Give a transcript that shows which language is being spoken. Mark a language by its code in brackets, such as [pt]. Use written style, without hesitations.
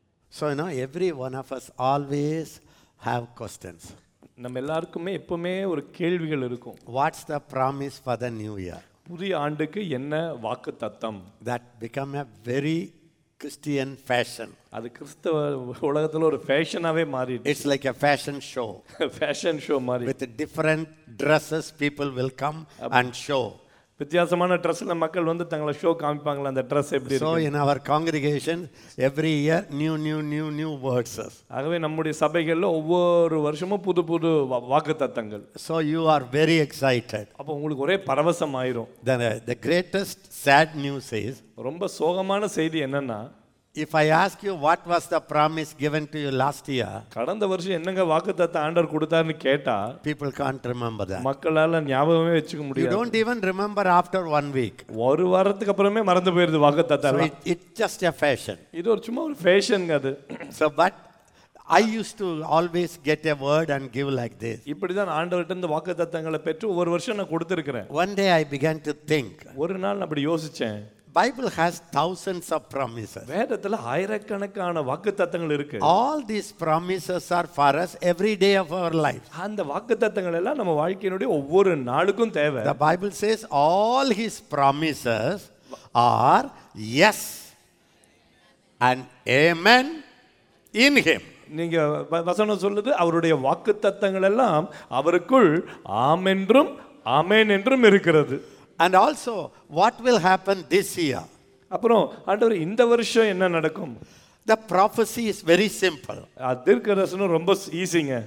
[en] So you know, every one of us always have questions. [ta] நம்ம எல்லாருக்குமே எப்பவுமே ஒரு கேள்விகள் இருக்கும். [en] What's the promise for the new year? [ta] புதிய ஆண்டுக்கு என்ன வாக்குத்தத்தம்? [en] That become a very Christian fashion. [ta] அது கிறிஸ்தவ உலகத்துல ஒரு ஃபேஷனாவே மாறிடுச்சு. [en] It's like a fashion show. [ta] Fashion show மாதிரி. [en] With different dresses people will come and show. [ta] வித்தியாசமான ட்ரெஸ்ல மக்கள் வந்து தங்களை ஷோ காமிப்பாங்க. அந்த ட்ரெஸ் எப்படி இருக்கு? [en] So in our congregation every year new words. [ta] ஆகவே நம்முடைய சபைகள்ல ஒவ்வொரு வருஷமும் புது புது வாக்குத்தத்தங்கள். [en] So you are very excited. [ta] அப்ப உங்களுக்கு ஒரே பரவசம் ஆயிரும். [en] The greatest sad news is, [ta] ரொம்ப சோகமான செய்தி என்னன்னா, [en] if I ask you what was the promise given to you last year, [ta] கடந்த வருஷம் என்னங்க வாக்குத்தத்த ஆண்டவர் கொடுத்தார்னு கேட்டா, [en] people can't remember that. [ta] மக்களால ஞாபகமே வச்சுக்க முடியாது. [en] You don't even remember after 1 week. [ta] ஒரு வாரத்துக்கு அப்புறமே மறந்து போயிருது வாக்குத்தத்த. [en] It's just a fashion. [ta] இது ஒரு சும்மா ஒரு ஃபேஷன். அது [en] so but I used to always get a word and give like this. [ta] இப்படி தான் ஆண்டவர்ட்ட இருந்து வாக்குத்தத்தங்களை பெற்று ஒவ்வொரு வருஷம் நான் கொடுத்திருக்கிறேன். [en] One day I began to think. [ta] ஒரு நாள் நான் அப்படி யோசிச்சேன். [en] Bible has thousands of promises. [ta] வேதத்துல ஆயிரக்கணக்கான வாக்குத்தத்தங்கள் இருக்கு. [en] All these promises are for us every day of our life. [ta] அந்த வாக்குத்தத்தங்கள் எல்லாம் நம்ம வாழ்க்கையினுடைய ஒவ்வொரு நாளுக்கும் தேவை. [en] The Bible says all his promises are yes and amen in him. [ta] நீங்க வசனம் சொல்லுது அவருடைய வாக்குத்தத்தங்கள் எல்லாம் அவருக்குள் ஆமென்றும் ஆமென் என்றும் இருக்கிறது. [en] And also, what will happen this year? [ta] அப்புறம் ஆண்டவர் இந்த வருஷம் என்ன நடக்கும்? [en] The prophecy is very simple. [ta] அதிர்கரசனும் ரொம்ப ஈஸிங்க.